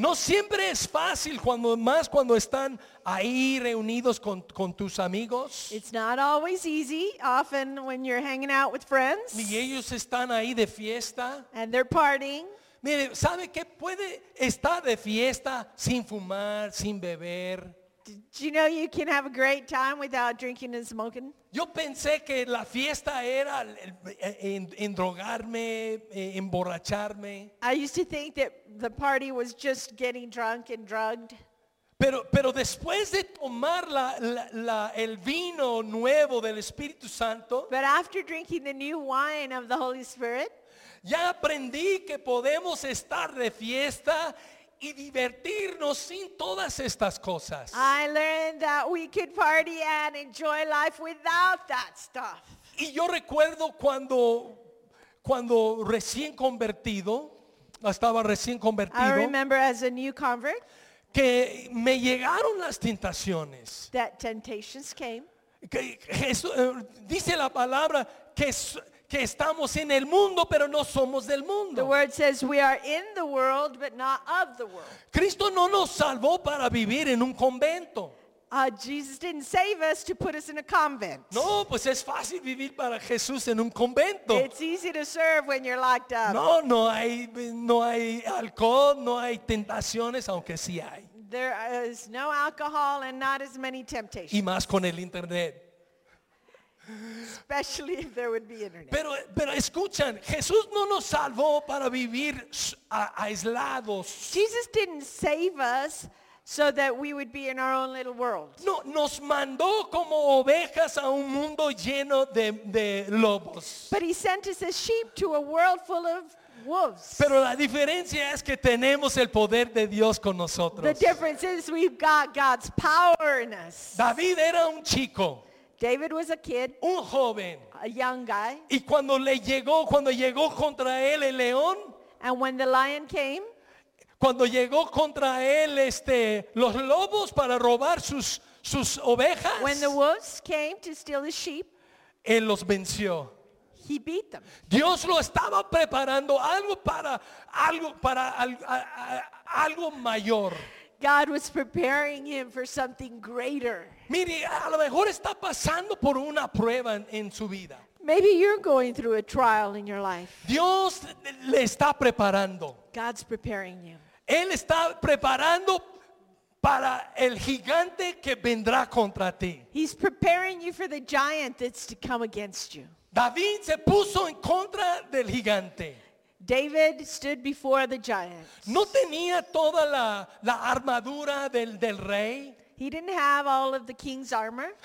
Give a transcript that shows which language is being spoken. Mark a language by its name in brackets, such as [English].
[Spanish] No siempre es fácil, cuando más cuando están ahí reunidos con tus amigos. [English] It's not always easy, often when you're hanging out with friends. [Spanish] Y ellos están ahí de fiesta. [English] And they're partying. [Spanish] Mire, ¿sabe qué? Puede estar de fiesta sin fumar, sin beber. [English] Did you know you can have a great time without drinking and smoking? [Spanish] Yo pensé que la fiesta era en drogarme, emborracharme. [English] I used to think that the party was just getting drunk and drugged. [Spanish] Pero después de tomar el vino nuevo del Espíritu Santo. [English] But after drinking the new wine of the Holy Spirit. [Spanish] Ya aprendí que podemos estar de fiesta y divertirnos sin todas estas cosas. [English] I learned that we could party and enjoy life without that stuff. [Spanish] Y yo recuerdo cuando recién convertido, estaba recién convertido. [English] I remember as a new convert. [Spanish] Que me llegaron las tentaciones. [English] That temptations came. [Spanish] Que Jesús, dice la palabra que estamos en el mundo, pero no somos del mundo. [English] The word says we are in the world, but not of the world. [Spanish] Cristo no nos salvó para vivir en un convento. [English] Jesus didn't save us to put us in a convent. [Spanish] No, pues es fácil vivir para Jesús en un convento. [English] It's easy to serve when you're locked up. [Spanish] No, no hay alcohol, no hay tentaciones, aunque sí hay. [English] There is no alcohol and not as many temptations. [Spanish] Y más con el internet. [English] Especially if there would be internet. [Spanish] Pero escuchan, Jesús no nos salvó para vivir aislados. [English] Jesus didn't save us so that we would be in our own little world. [Spanish] No, nos mandó como ovejas a un mundo lleno de lobos. [English] But he sent us as sheep to a world full of wolves. [Spanish] Pero la diferencia es que tenemos el poder de Dios con nosotros. [English] The difference is we've got God's power in us. [Spanish] David era un chico. [English] David was a kid. [Spanish] Un joven. [English] A young guy. [Spanish] Y cuando llegó contra él el león. [English] And when the lion came. [Spanish] Cuando llegó contra él los lobos para robar sus ovejas. [English] When the wolves came to steal his sheep. [Spanish] Él los venció. [English] He He beat them. [Spanish] Dios lo estaba preparando algo mayor. [English] God was preparing him for something greater. [Spanish] Mire, a lo mejor está pasando por una prueba en su vida. [English] Maybe you're going through a trial in your life. [Spanish] Dios le está preparando. [English] God's preparing you. [Spanish] Él está preparando para el gigante que vendrá contra ti. [English] He's preparing you for the giant that's to come against you. [Spanish] David se puso en contra del gigante. [English] David stood before the giants. [Spanish] No tenía toda la armadura del rey. [English] He didn't have all of the king's armor.